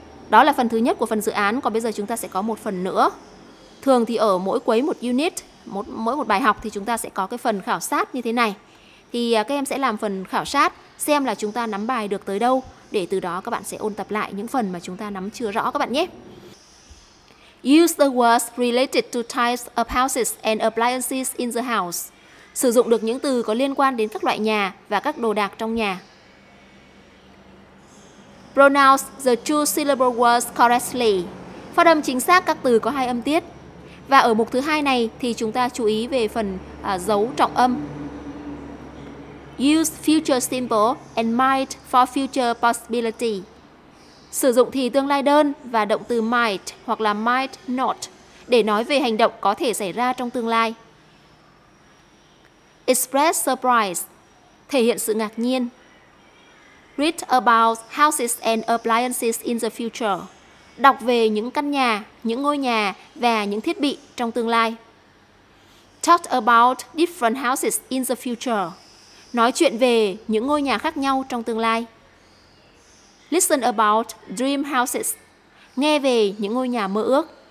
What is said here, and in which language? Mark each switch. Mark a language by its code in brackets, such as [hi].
[vi] Đó là phần thứ nhất của phần dự án. Còn bây giờ chúng ta sẽ có một phần nữa. Thường thì ở mỗi quấy một unit, mỗi một bài học thì chúng ta sẽ có cái phần khảo sát như thế này. Thì các em sẽ làm phần khảo sát, xem là chúng ta nắm bài được tới đâu, để từ đó các bạn sẽ ôn tập lại những phần mà chúng ta nắm chưa rõ các bạn nhé. [en] Use the words related to types of houses and appliances in the house. [vi] Sử dụng được những từ có liên quan đến các loại nhà và các đồ đạc trong nhà. [en] Pronounce the two syllable words correctly. [vi] Phát âm chính xác các từ có hai âm tiết. Và ở mục thứ hai này thì chúng ta chú ý về phần dấu trọng âm. [en] Use future simple and might for future possibility. [vi] Sử dụng thì tương lai đơn và động từ might hoặc là might not để nói về hành động có thể xảy ra trong tương lai. [en] Express surprise, [vi] thể hiện sự ngạc nhiên. [en] Read about houses and appliances in the future, [vi] đọc về những căn nhà, những ngôi nhà và những thiết bị trong tương lai. [en] Talk about different houses in the future, [vi] nói chuyện về những ngôi nhà khác nhau trong tương lai. [en] Listen about dream houses, [vi] nghe về những ngôi nhà mơ ước.